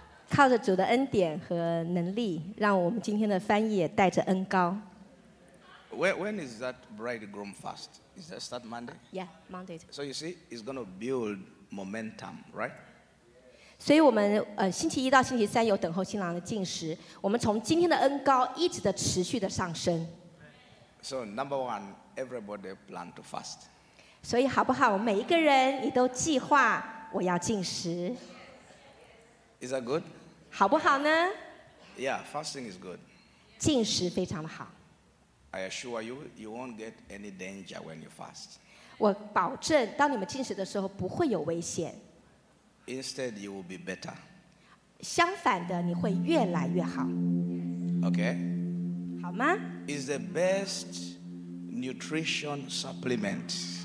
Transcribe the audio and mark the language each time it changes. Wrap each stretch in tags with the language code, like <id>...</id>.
<zh>靠着主的恩典和能力，让我们今天的翻译也带着恩膏。</zh> <en>When is that bridegroom fast? Is that start Monday? Yeah, Monday. So you see, it's going to build momentum, right?</en> <zh>所以我们星期一到星期三有等候新郎的进食，我们从今天的恩膏一直的持续的上升。</zh> <en>So number one, everybody plan to fast.</en> <zh>所以好不好？每一个人你都计划我要进食。</zh> <en>Is that good?</en> <zh>好不好呢</zh> <en>？Yeah, fasting is good.</en> <zh>禁食非常的好。</zh> <en>I assure you, you won't get any danger when you fast.</en> <zh>我保证，当你们禁食的时候不会有危险。</zh> <en>Instead, you will be better.</en> <zh>相反的，你会越来越好。</zh> <en>Okay.</en> <zh>好吗</zh> <en>？Is the best nutrition supplement.</en>